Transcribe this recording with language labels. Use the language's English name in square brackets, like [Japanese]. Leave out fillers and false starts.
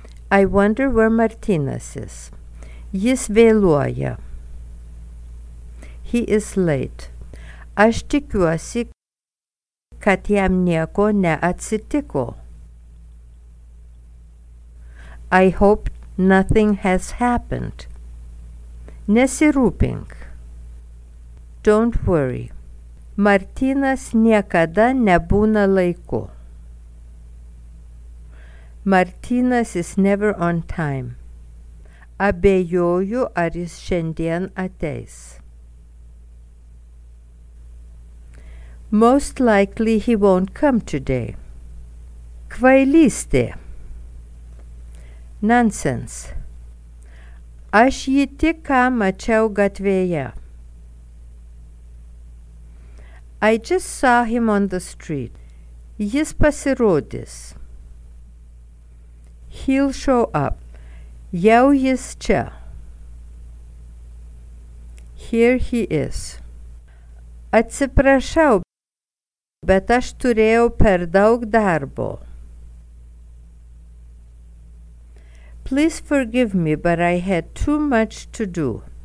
[English] I wonder where Martynas is. [Lithuanian] Jis vėluoja. [English] He is late. [Lithuanian] Aš tikiuosi, kad jam nieko neatsitiko. [English] I hope nothing has happened. [Lithuanian] Nesirūpink. [English] Don't worry. [Lithuanian] Martynas niekada nebūna laiku. [English] Martynas is never on time. [Lithuanian] Abejoju, ar jis šiandien ateis. [English] Most likely he won't come today. [Lithuanian] Kvailystė. [English] Nonsense. [Lithuanian] Aš jį tik ką mačiau gatvėje. [English] I just saw him on the street. [Lithuanian] Jis pasirodys. [English] He'll show up. [Lithuanian] Jau jis čia. [English] Here he is. [Lithuanian] Atsiprašau, bet aš turėjau per daug darbo. [English] Please forgive me, but I had too much to do.